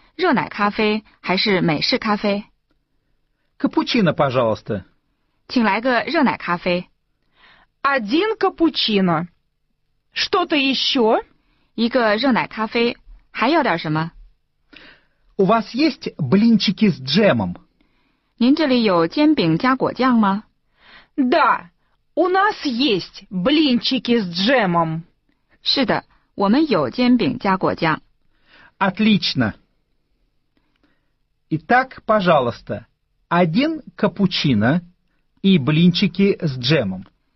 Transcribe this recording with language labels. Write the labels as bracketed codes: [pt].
[zh] 您是需要速溶咖啡、热奶咖啡还是美式咖啡? [ru] Капучино, пожалуйста. [zh] 请来个热奶咖啡. [ru] Один капучино. Что-то еще? [zh] 一个热奶咖啡,还要点什么? [ru] У вас есть блинчики с джемом? [zh] 您这里有煎饼加果酱吗? [ru] Да. У нас есть блинчики с джемом. [zh] 是的,我们有煎饼加果酱. [ru] Отлично. Итак, пожалуйста, один капучино и блинчики с джемом.